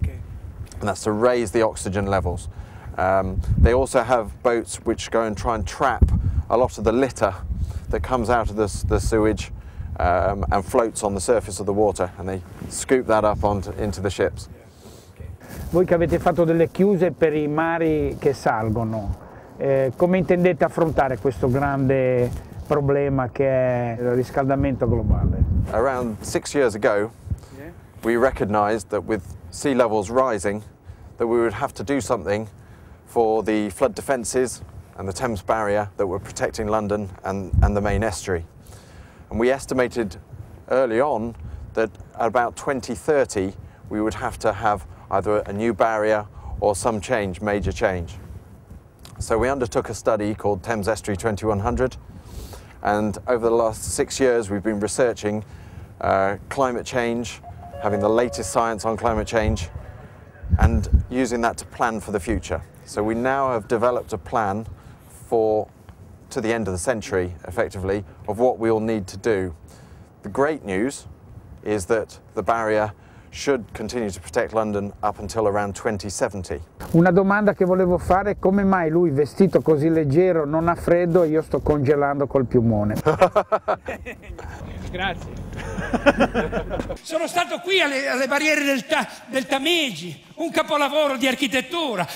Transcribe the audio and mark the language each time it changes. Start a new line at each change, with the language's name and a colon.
English: Okay. And that's to raise the oxygen levels. They also have boats which go and try and trap a lot of the litter that comes out of the sewage and floats on the surface of the water, and they scoop that up into the ships.
Italian: Voi che avete fatto delle chiuse per i mari che salgono, come intendete affrontare questo grande problema che è il riscaldamento globale?
English: Around 6 years ago, we recognized that with sea levels rising, that we would have to do something for the flood defences and the Thames barrier that were protecting London and the main estuary. And we estimated early on that at about 2030 we would have to have either a new barrier or some change, major change. So we undertook a study called Thames Estuary 2100, and over the last 6 years we've been researching climate change, having the latest science on climate change, and using that to plan for the future. So we now have developed a plan for to the end of the century, effectively, of what we all need to do. The great news is that the barrier should continue to protect London up until around 2070.
Italian: Una domanda che volevo fare è come mai lui, vestito così leggero, non ha freddo e io sto congelando col piumone. Grazie. Sono stato qui alle barriere del Tamigi, un capolavoro di architettura.